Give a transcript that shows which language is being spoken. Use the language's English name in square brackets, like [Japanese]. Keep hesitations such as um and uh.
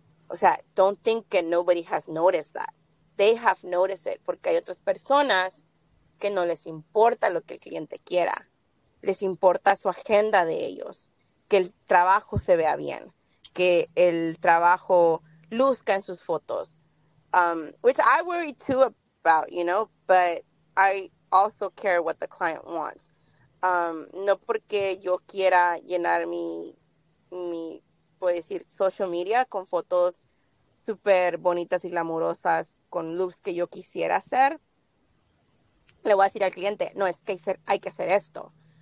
[Spanish] O sea, [English] don't think that nobody has noticed that. They have noticed it [Spanish] porque hay otras personas que no les importa lo que el cliente quiera les importa su agenda de ellos, que el trabajo se vea bien, que el trabajo luzca en sus fotos. [English] Um, which I worry too about, you know, but I also care what the client wants. [Spanish] Um, no porque yo quiera llenar mi, mi, puedo decir, social media con fotos super bonitas y glamurosas con luz que yo quisiera hacer. Le voy a decir al cliente, no, es que hay que hacer, hay que hacer esto.